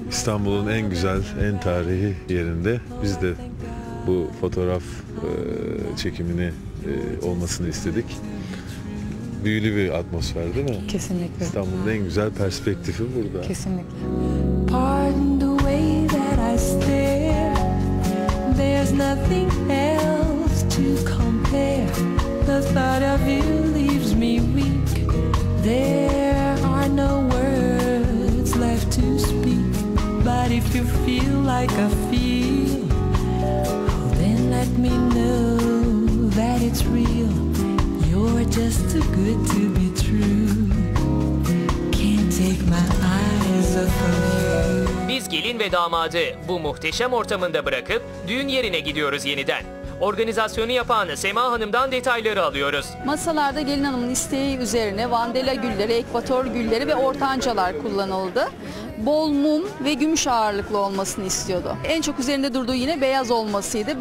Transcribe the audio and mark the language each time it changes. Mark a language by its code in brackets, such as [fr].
[tr] İstanbul'un en güzel, en tarihi yerinde biz de bu fotoğraf çekimini olmasını istedik. Büyülü bir atmosfer değil mi? Kesinlikle. İstanbul'un en güzel perspektifi burada. Kesinlikle. [en] Pardon the way that I stare. There's nothing else to compare. The thought of you leaves me weak. There are no words left to speak. But if you feel like I feel, then let me know that it's real. You're just too good to be true. Can't take my eyes off of you. [tr] Biz gelin ve damadı bu muhteşem ortamında bırakıp düğün yerine gidiyoruz yeniden. Organizasyonu yapan Sema Hanım'dan detayları alıyoruz. Masalarda gelin hanımın isteği üzerine vandalya gülleri, ekvator gülleri ve ortancalar kullanıldı. Bol mum ve gümüş ağırlıklı olmasını istiyordu. En çok üzerinde durduğu yine beyaz olmasıydı.